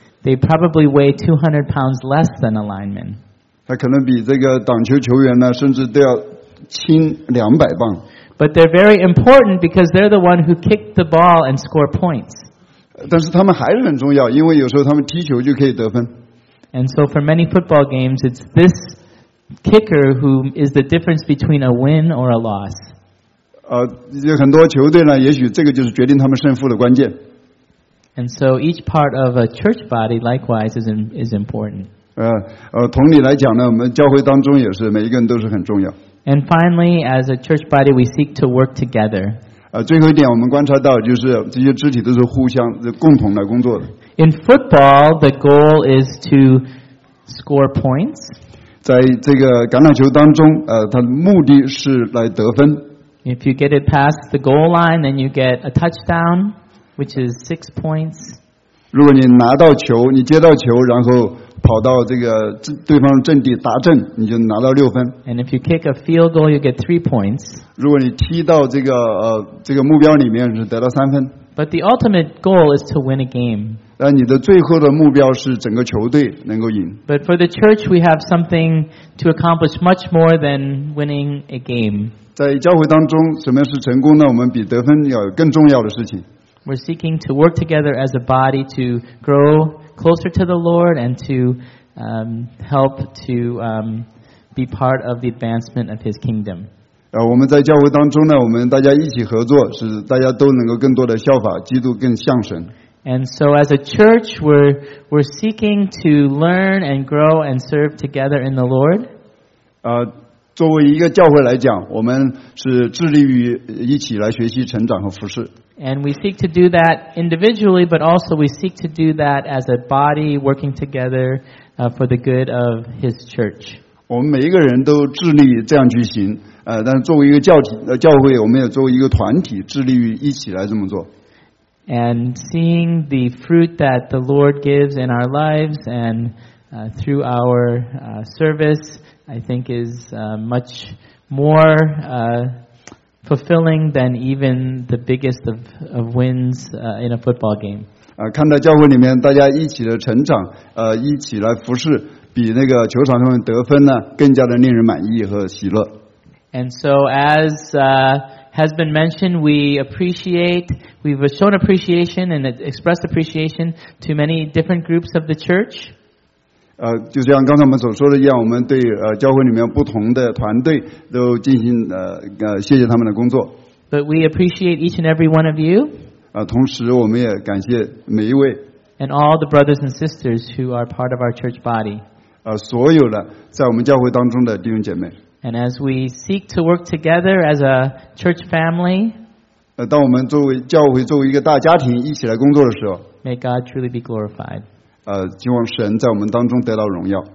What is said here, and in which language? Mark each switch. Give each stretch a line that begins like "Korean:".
English: They probably weigh 200 pounds less than a lineman.
Chinese: 他可能比这个挡球球员呢，甚至都要轻200磅。
English: But they're very important because they're the one who kicked the ball and score points.
Chinese: 但是他们还是很重要，因为有时候他们踢球就可以得分。
English: And so for many football games, it's this kicker who is the difference between a win or a loss.
Chinese: 有很多球队呢，也许这个就是决定他们胜负的关键。
English: And so each part of a church body likewise is important.
Chinese: 同理来讲呢，我们教会当中也是，每一个人都是很重要。
English: And finally, as a church body, we seek to work together.
Chinese: 最后一点我们观察到就是这些肢体都是互相共同来工作的。
English: In football, the goal is to score points.
Chinese: 在这个橄榄球当中，它的目的是来得分。
English: If you get it past the goal line, then you get a touchdown, which is 6 points.
Chinese: 如果你拿到球，你接到球，然后跑到这个对方阵地打阵，你就拿到6分。
English: And if you kick a field goal, you get 3 points.
Chinese: 如果你踢到这个目标里面，是得到3分。
English: But the ultimate goal is to win a game.
Chinese: 但你的最后的目标是整个球队能够赢。
English: But for the church, we have something to accomplish much more than winning a game.
Chinese: 在教会当中，什么是成功呢？我们比得分要更重要的事情。
English: We're seeking to work together as a body to grow closer to the Lord and to help to be part of the advancement of His kingdom.
Chinese: 我们在教会当中呢，我们大家一起合作，使大家都能够更多的效法基督，更像神。
English: And so, as a church, we're seeking to learn and grow and serve together in the Lord.
Chinese: 作为一个教会来讲，我们是致力于一起来学习、成长和服侍。
English: And we seek to do that individually, but also we seek to do that as a body working together for the good of His church.
Chinese: 我们每一个人都致力这样去行，但是作为一个教体教会，我们也作为一个团体，致力于一起来这么做。
English: And seeing the fruit that the Lord gives in our lives and through our service, I think is much more fulfilling than even the biggest of wins in a football game.
Chinese: 看到教会里面大家一起的成长，一起来服侍。比那个球场上面得分呢，更加的令人满意和喜乐。
English: And so, as has been mentioned, we've shown appreciation and expressed appreciation to many different groups of the church.
Chinese: 就像刚才我们所说的一样，我们对教会里面不同的团队都进行谢谢他们的工作。
English: But we appreciate each and every one of you.
Chinese: 同时我们也感谢每一位。
English: And all the brothers and sisters who are part of our church body.
Chinese: 所有的在我们教会当中的弟兄姐妹。
English: And as we seek to work together as a church family.
Chinese: 当我们作为教会作为一个大家庭一起来工作的时候。
English: May God truly be glorified.
Chinese: 希望神在我们当中得到荣耀。